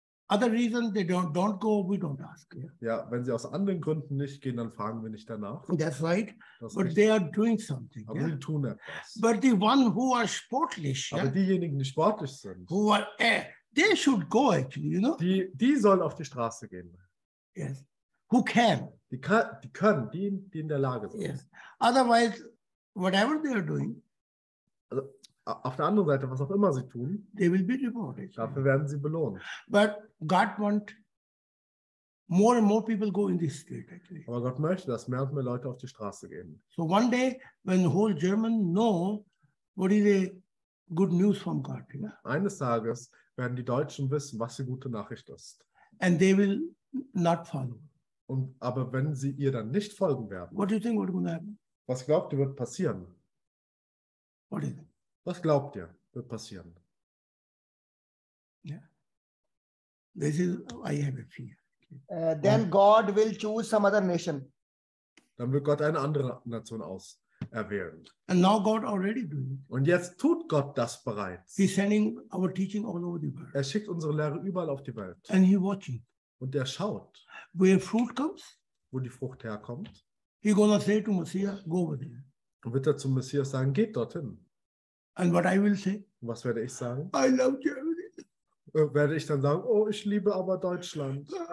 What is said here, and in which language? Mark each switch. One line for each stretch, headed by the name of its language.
English: Other reason they don't go, we don't ask. Yeah.
German: Ja, wenn sie aus anderen Gründen nicht gehen, dann fragen wir nicht danach.
English: That's right.
German: Das
English: but they are doing something.
German: Aber sie tun etwas.
English: But the one who are sportlich.
German: Aber diejenigen, die sportlich sind.
English: Who are, they should go actually, you know.
German: Die sollen auf die Straße gehen.
English: Yes. Who can?
German: Die können, die in der Lage sind.
English: Yes. Otherwise, whatever they are doing.
German: Also, auf der anderen Seite, was auch immer sie tun,
English: they will be rewarded.
German: Dafür werden sie belohnt.
English: But God want more and more people go in this street, actually.
German: Aber Gott möchte, dass mehr und mehr Leute auf die Straße gehen.
English: So one day, when the whole German know what is the good news from God. Yeah?
German: Eines Tages werden die Deutschen wissen, was die gute Nachricht ist.
English: And they will not follow.
German: Und, aber wenn sie ihr dann nicht folgen werden,
English: what do you think will happen?
German: Was glaubt ihr, wird passieren?
English: What is it?
German: Was glaubt ihr, wird passieren?
English: Yeah. This is, I have a fear. Then God will choose some other nation.
German: Dann wird Gott eine andere Nation auserwählen.
English: And now God already doing it.
German: Und jetzt tut Gott das bereits.
English: He's sending our teaching all over the world.
German: Er schickt unsere Lehre überall auf die Welt.
English: And he's watching.
German: Und er schaut.
English: Where fruit comes?
German: Wo die Frucht herkommt.
English: He's gonna say to Messiah, go over there.
German: Und wird er zum Messias sagen, geht dorthin.
English: And what I will say?
German: Was werde ich sagen?
English: I love Germany.
German: Werde ich dann sagen, oh, ich liebe aber Deutschland.